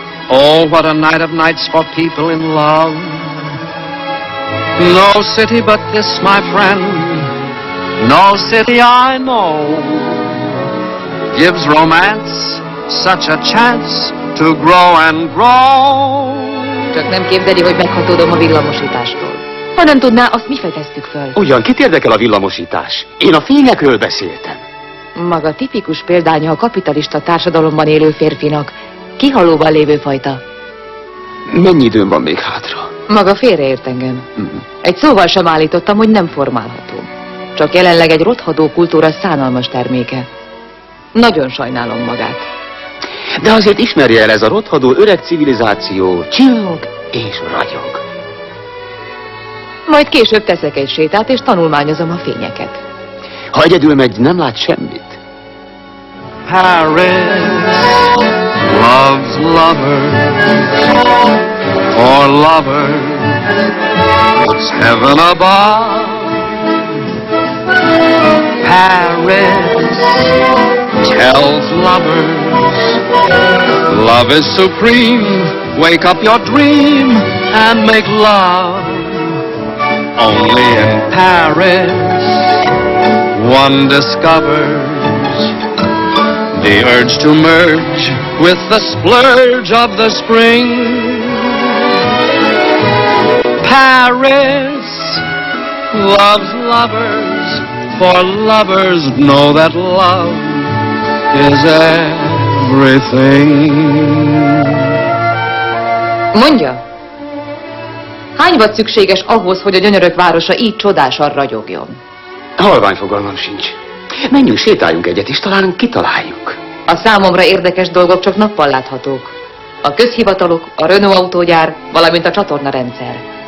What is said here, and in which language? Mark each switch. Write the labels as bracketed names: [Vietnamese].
[English] Oh, what a night of nights for people in love. No city but this, my friend, no city I know, gives romance such a chance to grow and grow. [Hungarian] Csak nem képzeli, hogy meghatódom a villamosítástól. Ha nem tudná, azt mi fedeztük föl? Ugyan, kit érdekel a villamosítás? Én a fényekről beszéltem. Maga tipikus példánya a kapitalista társadalomban élő férfinak. Kihalóban lévő fajta. Mennyi időm van még hátra? Maga félreért engem. Egy szóval sem állítottam, hogy nem formálható. Csak jelenleg egy rothadó kultúra szánalmas terméke. Nagyon sajnálom magát. De azért ismerje el ez a rothadó öreg civilizáció. Csillog és ragyog. Majd később teszek egy sétát és tanulmányozom a fényeket. Ha egyedül megy, nem lát semmit. [English] Paris loves lover, for lover it's heaven above. Paris tells lovers love is supreme, wake up your dream and make love. Only in Paris one discovers the urge to merge with the splurge of the spring. Paris loves lovers, for lovers know that love is everything. [Hungarian] Mondja, hány vagy szükséges ahhoz, hogy a gyönyörök városa így csodásan ragyogjon? Halvány fogalmam sincs. Menjünk, sétáljunk egyet, és talán kitaláljuk. A számomra érdekes dolgok csak nappal láthatók. A közhivatalok, a Renault autógyár, valamint a csatorna rendszer.